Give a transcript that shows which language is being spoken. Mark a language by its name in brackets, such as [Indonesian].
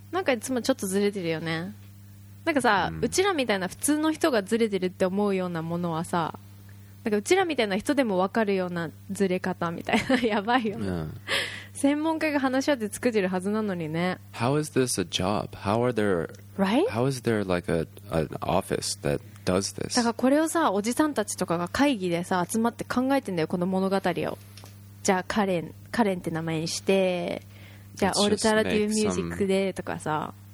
[Japanese] なんかいつもちょっとずれてるよね。なんかさ、うちらみたいな普通の人がずれてるって思うようなものはさ、なんかうちらみたいな人でも分かるようなずれ方みたいな、やばいよね。専門家が話し合って作ってるはずなのにね。 [English] How is this a job? How are there? Right? How is there like an office that does this? [Japanese] だからこれをさ、おじさんたちとかが会議でさ集まって考えてんだよ、この物語を。じゃあカレンって名前にして、じゃあオルタナティブミュージックでとかさ。